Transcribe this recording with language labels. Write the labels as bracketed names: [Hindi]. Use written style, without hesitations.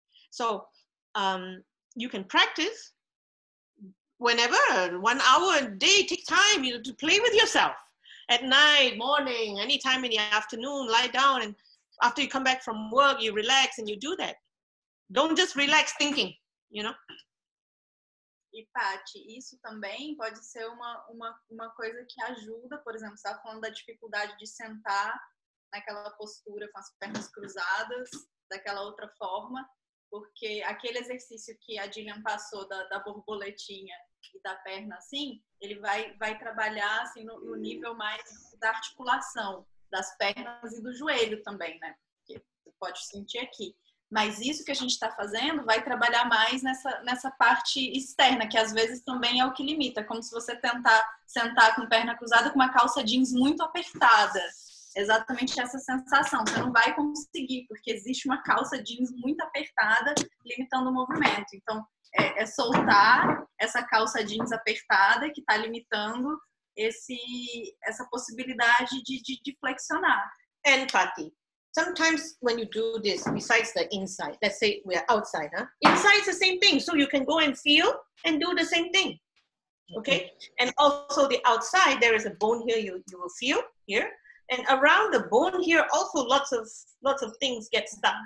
[English] So you can practice whenever, 1 hour a day, take time, you know, to play with yourself. At night, morning, anytime in the afternoon, lie down, and after you come back from work, you relax and you do that. Don't just relax thinking, you know? [Portuguese] E, Paty, isso também pode ser uma coisa que ajuda, por exemplo, você está falando da dificuldade de sentar naquela postura com as pernas cruzadas, daquela outra forma, porque aquele exercício que a Jillian passou da borboletinha,e da perna assim, ele vai trabalhar assim no nível mais da articulação das pernas e do joelho também, né? Porque você pode sentir aqui. Mas isso que a gente está fazendo vai trabalhar mais nessa parte externa, que às vezes também é o que limita. Como se você tentar sentar com perna cruzada com uma calça jeans muito apertada. Exatamente essa sensação. Você não vai conseguir, porque existe uma calça jeans muito apertada limitando o movimento. Então,É soltar essa calça jeans apertada que está limitando essa possibilidade de flexionar. [English] And Patty, sometimes when you do this, besides the inside, let's say we are outside, huh? Inside is the same thing, so you can go and feel and do the same thing. Okay? And also the outside, there is a bone here you will feel here. And around the bone here, also lots of things get stuck.